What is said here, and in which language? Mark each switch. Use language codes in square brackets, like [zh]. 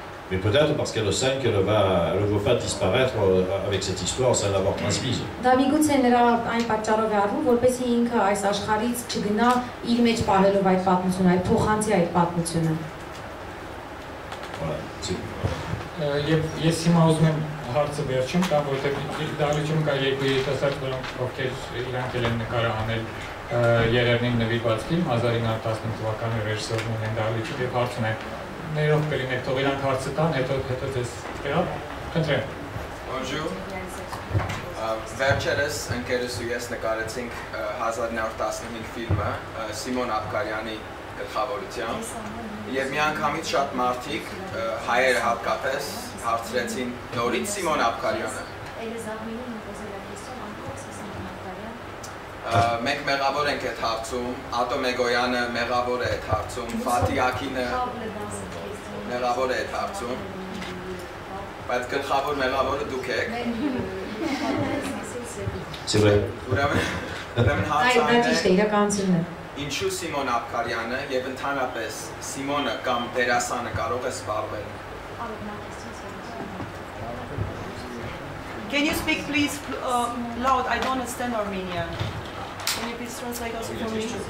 [fr] Mais peut-être parce qu'elle sent qu'elle va le veut pas disparaître avec cette histoire sans l'avoir transmise. [hy] Ներող կլինեք, թող իրանք հարցը տան, հետո ձեզ կրա, խնդրեմ։ Բոնջուր։ Վերջերս ընկերս ու ես նկարեցինք 1915 ֆիլմը Սիմոն Աբկարյանի գլխավորությամբ, և միանգամից շատ մարդիկ, հայերը հատկապես, հարցրեցին նորից Սիմոն Աբկարյանը. Մենք մեղավոր ենք այդ հարցում, Ատո Մեգոյանը մեղավոր է այդ հարցում, Ֆաթի Ակինը մեղավոր է այդ հարցում, բայց գլխավոր մեղավորը դուք եք. Սիրե։ Ուրեմն հարցանը, ինչու Սիմոն Աբկարյանը և ընդհանրապես Սիմոնը կամ դերասանը կարող է զբաղվել։ [en] Can you speak please loud? I don't understand Armenian. Can you please translate also for me?